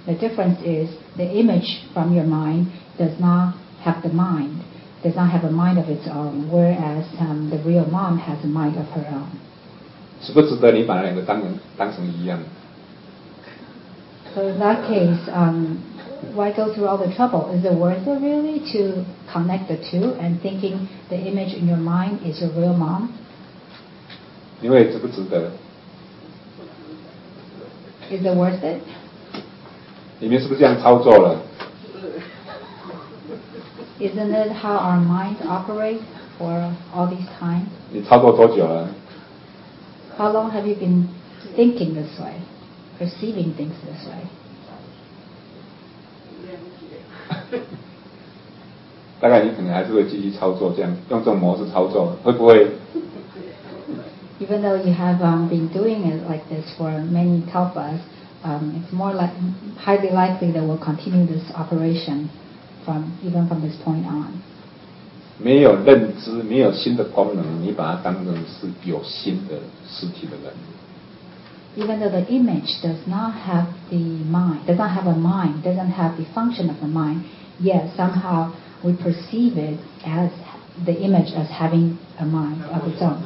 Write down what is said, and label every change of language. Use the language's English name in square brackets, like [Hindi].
[English] The difference is the image from your mind does not have the mind, does not have a mind of its own, whereas the real mom has a mind of her own. [Chinese] 值不值得你把两个当成一样？ [English] So in that case, why go through all the trouble? Is it worth it really to connect the two and thinking the image in your mind is your real mom? [Chinese] 因为值不值得？ [English] Is it worth it? [Chinese] 你们是不是这样操作了？ [English] Isn't it how our minds operate for all these times? [Chinese] 你操作多久了？ [English] How long have you been thinking this way? Perceiving things this way? [Chinese] 大概你可能还是会继续操作，这样用这种模式操作，会不会？ [English] Even though you have been doing it like this for many tapas, it's more like highly likely that we'll continue this operation from even from this point on. [Chinese] 没有认知，没有心的功能，你把它当成是有心的实体的人。 [English] Even though the image does not have the mind, does not have a mind, doesn't have the function of the mind, yet somehow we perceive it as the image as having a mind of its own.